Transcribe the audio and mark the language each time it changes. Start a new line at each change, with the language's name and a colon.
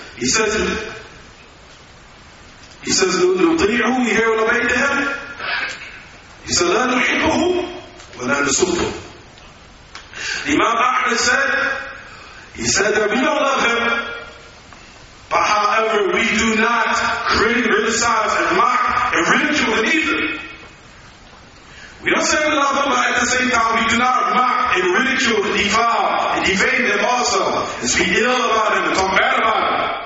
English: He says,
Arabic: نُطِيعُهُ
English: we hear and obey to him. He said,
Arabic: لَا نُحِبُهُ وَلَا نُسُبُهُ.
English: Imam Ahmad said, he said that we don't love him, but however, we do not criticize and mock and ridicule him either. We don't say we love him, but at the same time, we do not mock and ridicule and defile and defame them also, and speak ill about him and talk bad about him.